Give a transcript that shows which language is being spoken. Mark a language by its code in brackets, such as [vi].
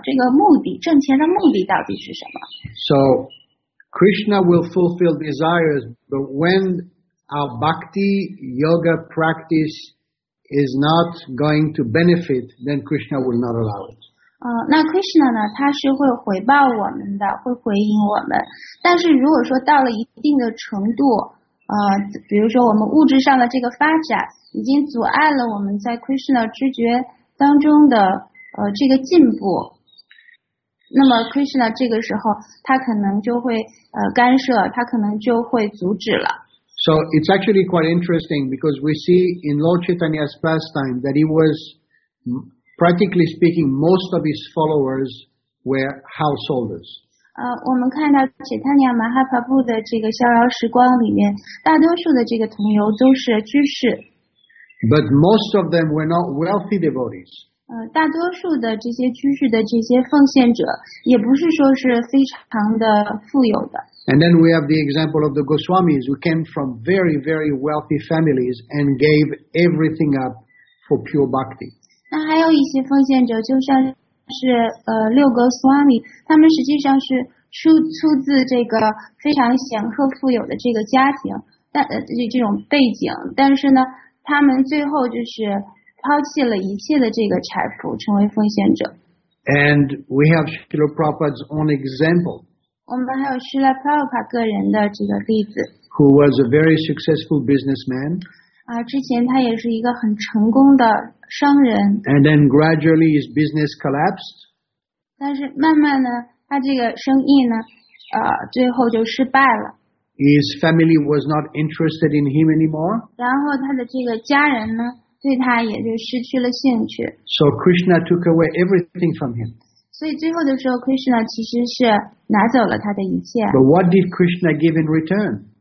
[zh] 这个目的，挣钱的目的到底是什么 [en] ？So, Krishna will fulfill desires, but when our bhakti yoga practice is not going to benefit, then Krishna will not allow it. [zh] 那 Krishna 呢？他是会回报我们的，会回应我们。但是如果说到了一定的程度，比如说我们物质上的这个发展已经阻碍了我们在 Krishna 知觉当中的这个进步，那么 Krishna 这个时候他可能就会干涉，他可能就会阻止了。 [en] So it's actually quite interesting because we see in Lord Chaitanya's pastime that he was practically speaking most of his followers were householders. [zh] 我们看到 Chaitanya Mahaprabhu 的这个逍遥时光里面大多数的这个同游都是居士。 [en] But most of them were not wealthy devotees. [zh] 大多数的这些居士的这些奉献者也不是说是非常的富有的。 [en] And then we have the example of the Goswamis who came from very very wealthy families and gave everything up for pure bhakti. [zh] 那还有一些奉献者就像是六格斯瓦米，他们实际上是 出自这个非常显赫富有的这个家庭，但这种背景，但是呢他们最后就是抛弃了一切的这个财富，成为奉献者。 [en] And we have Srila Prabhupada's own example. [zh] 我们还有 Srila Prabhupada 个人的这个例子。 [en] Who was a very successful businessman. [zh] 之前他也是一个很成功的商人。 [en] And then gradually his business collapsed. [zh] 但是慢慢呢，他这个生意呢，最后就失败了。 [en] His family was not interested in him anymore. [zh] 然后他的这个家人呢？对他也就失去了兴趣。 [en] So Krishna took away everything from him. [zh] 所以最后的时候 ，Krishna 其实是拿走了他的一切。 [en] But what did Krishna give in return?